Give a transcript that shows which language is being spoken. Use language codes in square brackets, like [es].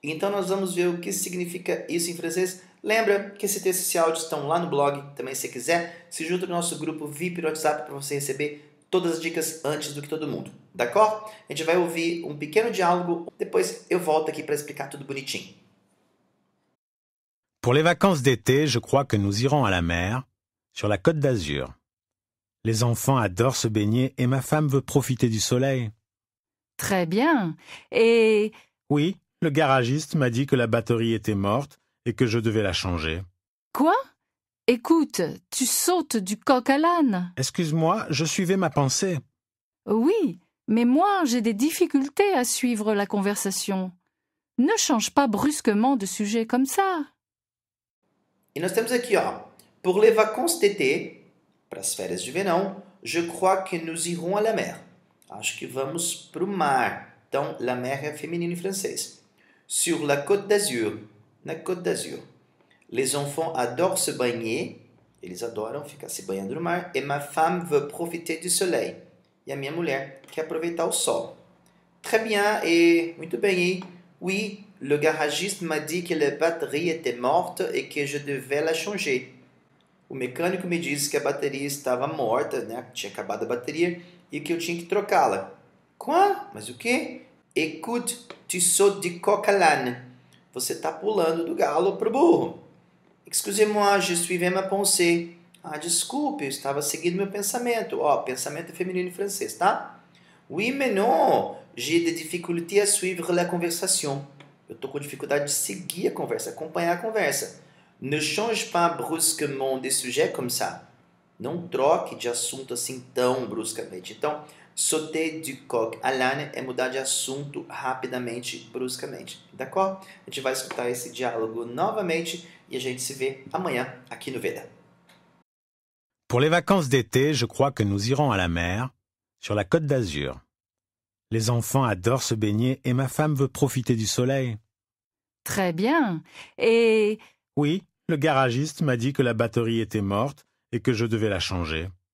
[pt] Então nós vamos ver o que significa isso em francês. Lembra que esse texto e esse áudio estão lá no blog, também se quiser, se junta no nosso grupo VIP no WhatsApp para você receber todas as dicas antes do que todo mundo. D'accord? A gente vai ouvir um pequeno diálogo, depois eu volto aqui para explicar tudo bonitinho. [fr] Pour les vacances d'été, je crois que nous irons à la mer, sur la Côte d'Azur. Les enfants adorent se baigner et ma femme veut profiter du soleil. Très bien. Et... Oui, le garagiste m'a dit que la batterie était morte et que je devais la changer. Quoi? Écoute, tu sautes du coq à l'âne. Excuse-moi, je suivais ma pensée. Oui, mais moi, j'ai des difficultés à suivre la conversation. Ne change pas brusquement de sujet comme ça. [pt] E nós temos aqui, ó, [fr] pour les vacances d'été, [pt] para as férias de verão, [fr] je crois que nous irons à la mer. [pt] Acho que vamos para o mar. Então, la mer é feminino em francês. Sur la Côte d'Azur, na Côte d'Azur. [fr] Les enfants adorent se baigner, [pt] eles adoram ficar se banhando no mar. [fr] Et ma femme veut profiter du soleil. [pt] E a minha mulher quer aproveitar o sol. [fr] Très bien, et [pt] muito bem, hein? Oui. [fr] Le garagiste m'a dit que la batterie était morte et que je devais la changer. [pt] O mecânico me disse que a bateria estava morta, né? Tinha acabado a bateria e que eu tinha que trocá-la. Quoi? Mas o quê? [fr] Écoute, tu sautes du coq à l'âne. [pt] Você tá pulando do galo pro burro. [fr] Excusez-moi, je suivais ma pensée. [pt] Ah, desculpe, eu estava seguindo meu pensamento. Ó, pensamento feminino em francês, tá? [fr] Oui, mais non, j'ai des difficultés à suivre la conversation. [pt] Eu estou com dificuldade de seguir a conversa, acompanhar a conversa. [fr] Ne change pas brusquement de sujet comme ça. [pt] Não troque de assunto assim tão bruscamente. Então, [fr] sauter du coq à l'âne [pt] é mudar de assunto rapidamente, bruscamente. D'accord? A gente vai escutar esse diálogo novamente e a gente se vê amanhã aqui no Veda. [fr] Pour les vacances d'été, je crois que nous irons à la mer, sur la Côte d'Azur. Les enfants adorent se baigner et ma femme veut profiter du soleil. Très bien. Et... Oui, le garagiste m'a dit que la batterie était morte et que je devais la changer.